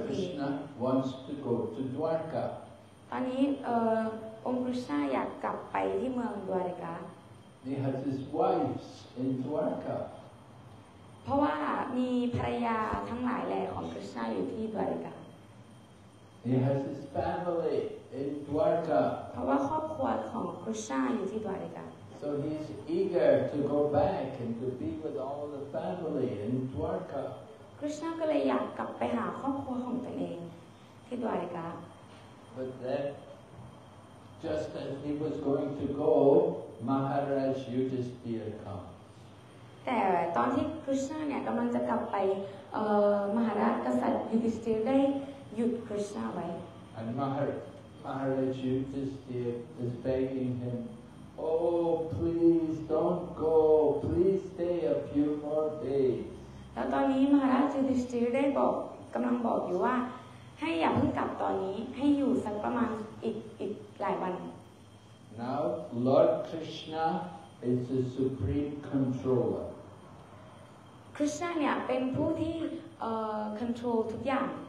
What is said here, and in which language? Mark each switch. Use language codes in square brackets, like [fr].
[en] Now Krishna wants to go to Dwarka [th] ตอนนี้องค์ Krishna อยากกลับไปที่เมืองดวาริกา [en] He has his wives in Dwarka [th] เพราะว่ามีภรรยาทั้งหลายแหล่ของคริสต์นาอยู่ที่ดวาริกา [en] He has his family in Dwarka [th] เพราะว่าครอบครัวของคริสต์นาอยู่ที่ดวาริกา [en] So he is eager to go back and to be with all the family in Dwarka [th] คริสต์นาก็เลยอยากกลับไปหาครอบครัวของตนเองที่ดวาริกา [en] But then just as he was going to go Maharaj Yudhisthira comes [th] แต่ตอนที่คริชนาเนี่ยกำลังจะกลับไปมหาราชกษัตริย์ยุธิสถิรได้หยุดคริชนาไว้ [en] And Maharaj Yudhisthira is begging him Oh please don't go please stay a few more days [th] แล้วตอนนี้มหาราชยุธิสถิรได้บอกกำลังบอกอยู่ว่าให้อย่าเพิ่งกลับตอนนี้ให้อยู่สักประมาณอีกหลายวัน [en] Now Lord KrishnaIt's the supreme controller. [th] Krishna เนี่ยเป็นผู้ที่control ทุกอย่าง